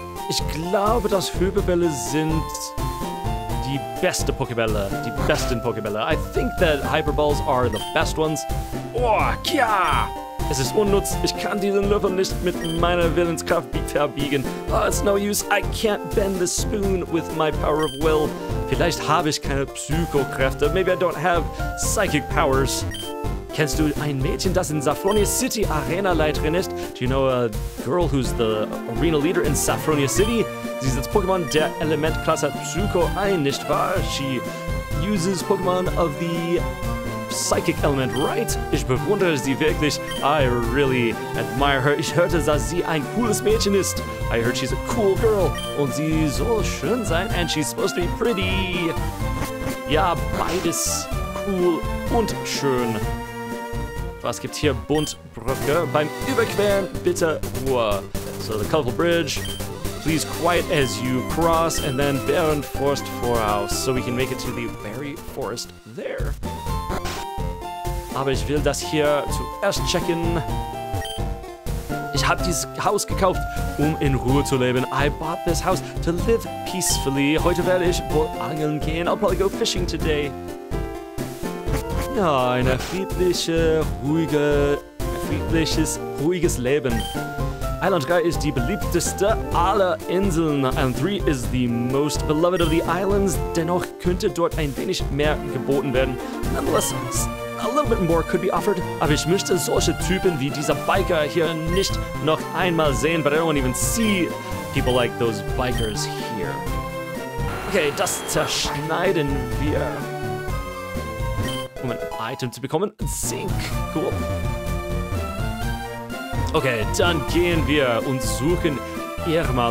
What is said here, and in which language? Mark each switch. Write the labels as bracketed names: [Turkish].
[German] Ich glaube, dass Hyperbälle sind die beste Pokebälle, die besten Pokebälle. [English] I think that Hyperballs are the best ones. [German] Oh, kia! Es ist unnütz. Ich kann diesen Löffel nicht mit meiner Willenskraft verbiegen. [English] Oh, it's no use. I can't bend the spoon with my power of will. [German] Vielleicht habe ich keine Psychokräfte. [English] Maybe I don't have psychic powers. [German] Kennst du ein Mädchen, das in Saffronia City Arena-Leiterin ist? [English] Do you know a girl who's the arena leader in Saffronia City? [German] Sie setzt Pokémon der Elementklasse Psycho ein, nicht wahr? [English] She uses Pokémon of the psychic element, right? [German] Ich bewundere sie wirklich. [English] I really admire her. [German] Ich hörte, dass sie ein cooles Mädchen ist. [English] I heard she's a cool girl. [German] Und sie soll schön sein, [English] and she's supposed to be pretty. [German] Ja, beides cool und schön. Was gibt hier Buntbrücke? Beim Überqueren bitte Ruhe. [English] So the colorful bridge. Please quiet as you cross and then Baron Forest Vorhaus. So we can make it to the very forest there. [German] Aber ich will das hier zuerst checken. Ich habe dieses Haus gekauft, um in Ruhe zu leben. [English] I bought this house to live peacefully. [German] Heute werde ich wohl angeln gehen. [English] I'll probably go fishing today. [German] Ja, eine friedliche, ruhige, friedliches, ruhiges Leben. Eiland 3 ist die beliebteste aller Inseln. [English] Eiland 3 is the most beloved of the islands. [German] Dennoch könnte dort ein wenig mehr geboten werden. [English] Nonetheless, a little bit more could be offered. [German] Aber ich möchte solche Typen wie dieser Biker hier nicht noch einmal sehen. [English] But I don't even see people like those bikers here. [German] Okay, das zerschneiden wir. Um ein Item zu bekommen. Zink. Cool. Okay, dann gehen wir und suchen Irma.